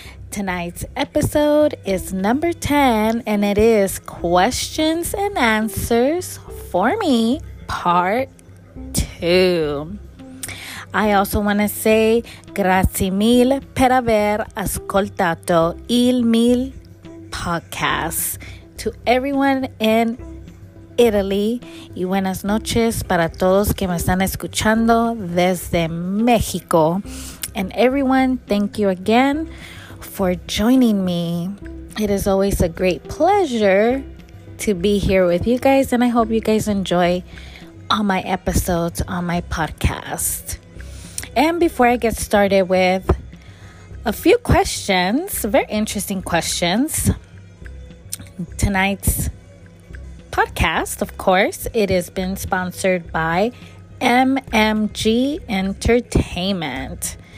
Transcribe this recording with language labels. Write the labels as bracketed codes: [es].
[en] Tonight's episode is number 10, and it is Questions and Answers for Me, Part 2. I also want to say [it] grazie mille per aver ascoltato il mio podcast. [en] To everyone in Italy, [es] y buenas noches para todos que me están escuchando desde México. [en] And everyone, thank you again for joining me. It is always a great pleasure to be here with you guys, and I hope you guys enjoy all my episodes on my podcast. And before I get started with a few questions, very interesting questions, tonight's podcast, of course, it has been sponsored by MMG Entertainment.